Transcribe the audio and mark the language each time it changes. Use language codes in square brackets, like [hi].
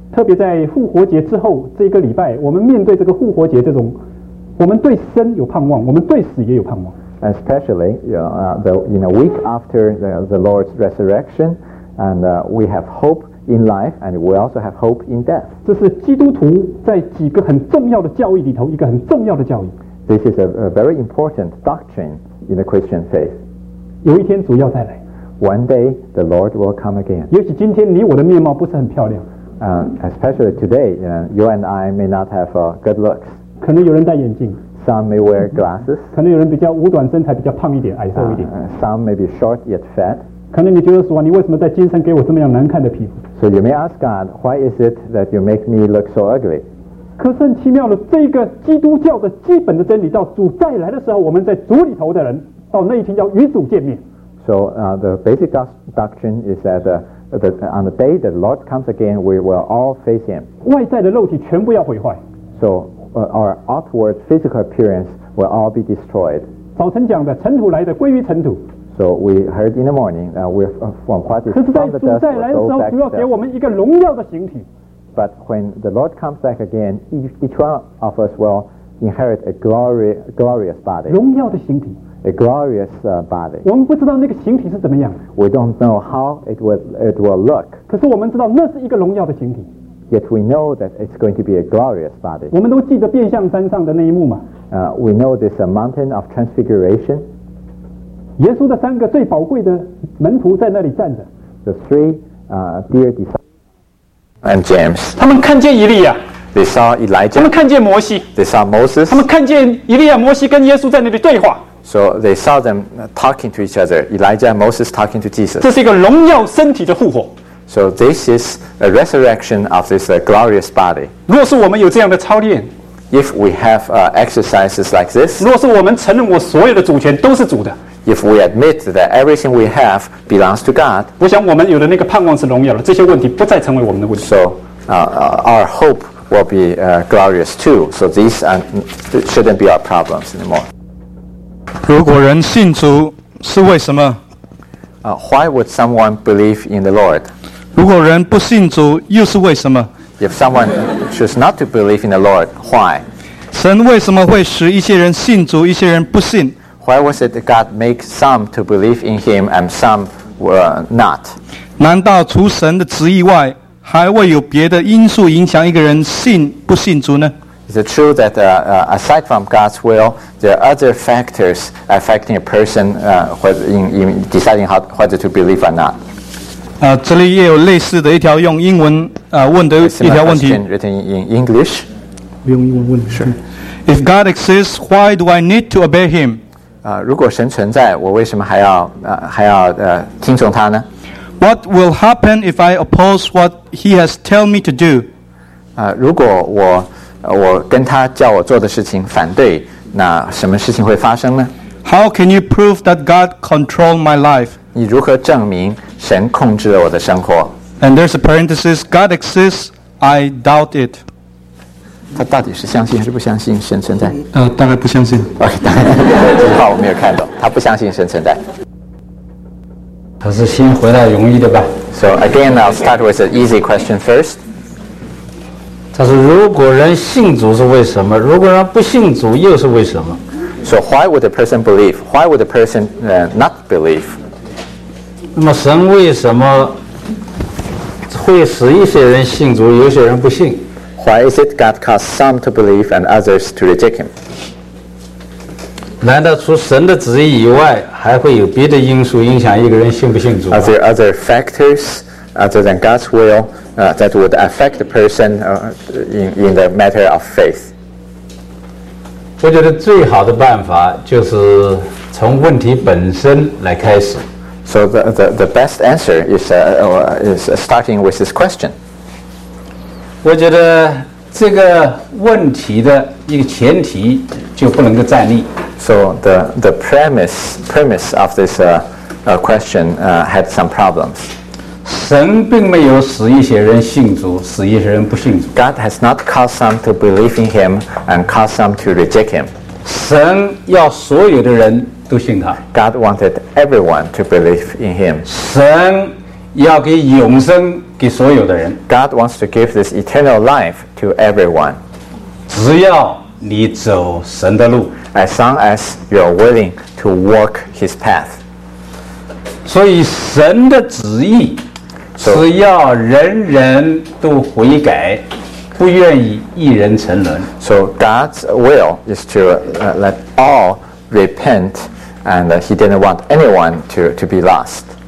[zh] 特别在复活节之后这个礼拜，我们面对这个复活节这种，我们对生有盼望，我们对死也有盼望。 [en] Especially, in a week after the Lord's resurrection, and we have hope. In life, and we also have hope in death. [zh] 这是基督徒在几个很重要的教义里头一个很重要的教义。 [en] This is a very important doctrine in the Christian faith. [zh] 有一天主要再来。 [en] One day the Lord will come again. [zh] 也许今天你我的面貌不是很漂亮。 [en] Especially today, you and I may not have good looks. [zh] 可能有人戴眼镜。 [en] Some may wear glasses. [zh] 可能有人比较五短身材，比较胖一点，矮瘦一点。 [en] Some may be short yet fat. [zh] 可能你觉得说你为什么在今生给我这么样难看的皮肤 [en] So you may ask God, why is it that you make me look so ugly? [zh] 可是很奇妙的这个基督教的基本的真理到主再来的时候我们在主里头的人到那一天要与主见面 [en] So the basic doctrine is that, that on the day that the Lord comes again, we will all face him [zh] 外在的肉体全部要毁坏 [en] So our outward physical appearance will all be destroyed [zh] 早晨讲的尘土来的归于尘土 [en] So we heard in the morning that we from what is from the dust will go back to death. [zh] 给我们一个荣耀的形体。 [en] But when the Lord comes back again, each one of us will inherit a glorious body. [zh] 荣耀的形体。 [en] A glorious body. [zh] 我们不知道那个形体是怎么样。 [en] We don't know how it will look. [zh] 可是我们知道那是一个荣耀的形体。 [en] Yet we know that it's going to be a glorious body. [zh] 我们都记得变相山上的那一幕嘛。 [en] We know this mountain of transfiguration. [zh] 耶稣的三个最宝贵的门徒在那里站着 [en] The three dear disciples and James [zh] 他们看见以利亚 [en] They saw Elijah [zh] 他们看见摩西 [en] They saw Moses [zh] 他们看见以利亚摩西跟耶稣在那里对话 [en] So they saw them talking to each other Elijah and Moses talking to Jesus [zh] 这是一个荣耀身体的复活 [en] So this is a resurrection of this glorious body [zh] 若是我们有这样的操练 [en] If we have exercises like this [zh] 若是我们承认我所有的主权都是主的 [en] If we admit that everything we have belongs to God, [zh] 我想我们有的那个盼望是荣耀的，这些问题不再成为我们的问题。 [en] So, our hope will be glorious too. So these shouldn't be our problems anymore. [zh] 如果人信主是为什么？ [en] Why would someone believe in the Lord? [zh] 如果人不信主又是为什么？ [en] If someone chooses not to believe in the Lord, why? [zh] 神为什么会使一些人信主，一些人不信？ [en] Why was it that God made some to believe in him and some were not? [zh] 难道除神的旨意外还会有别的因素影响一个人信不信主呢? [en] Is it true that aside from God's will, there are other factors affecting a person in deciding how, whether to believe or not? [zh] 这里也有类似的一条用英文问的一条问题。 [en] A similar question written in English. [zh] 用英文问。 [en] Sure. If God exists, why do I need to obey him? [zh] 如果神存在，我为什么还要听从他呢？ [en] What will happen if I oppose what he has told me to do? [zh] 如果我跟他叫我做的事情反对，那什么事情会发生呢？ [en] How can you prove that God controlled my life? [zh] 你如何证明神控制了我的生活？ [en] And there's a parenthesis, God exists, I doubt it. [zh] 他到底是相信还是不相信神存在？大概不相信。 OK, 大概这句话我没有看懂，他不相信神存在。他是先回答容易的吧。 [en] So again, I'll start with an easy question first. [zh] 他说如果人信主是为什么，如果人不信主又是为什么？ [en] So why would a person believe? Why would a person not believe? [zh] 那么神为什么会使一些人信主，有些人不信？ [en] Why is it God caused some to believe and others to reject him? [zh] 难道除神的旨意以外还会有别的因素影响一个人信不信主？ [en] Are there other factors other than God's will that would affect the person in the matter of faith? [zh] 我觉得最好的办法就是从问题本身来开始。 [en] So the best answer is starting with this question. [zh] 我觉得这个问题的一个前提就不能够站立。 [en] So the premise of this question had some problems. [zh] 神并没有使一些人信主，使一些人不信主。 [en] God has not caused some to believe in him and caused some to reject him. [zh] 神要所有的人都信他。 [en] God wanted everyone to believe in him. [zh] 神要给永生给所有的人。 [en] God wants to give this eternal life to everyone. [zh] 只要你走神的路。 [en] As long as you are willing to walk his path. [zh] 所以神的旨意是要人人都悔改，不愿意一人沉沦。 [en] So God's will is to let all repent and he didn't want anyone to be lost.